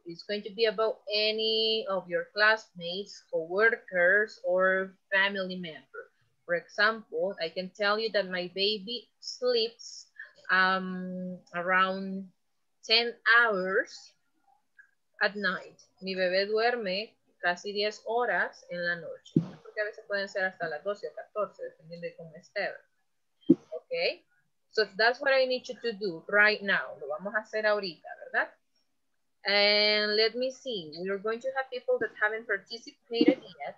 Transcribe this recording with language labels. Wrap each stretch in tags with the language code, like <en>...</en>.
<en>It's going to be about any of your classmates, co-workers, or family members. For example, I can tell you that my baby sleeps around 10 hours at night.</en> <es>Mi bebé duerme casi 10 horas en la noche. Porque a veces pueden ser hasta las 12 o 14, dependiendo de cómo esté.</es> <en>Okay? So that's what I need you to do right now.</en> <es>Lo vamos a hacer ahorita, ¿verdad?</es> <en>And let me see. We are going to have people that haven't participated yet.</en>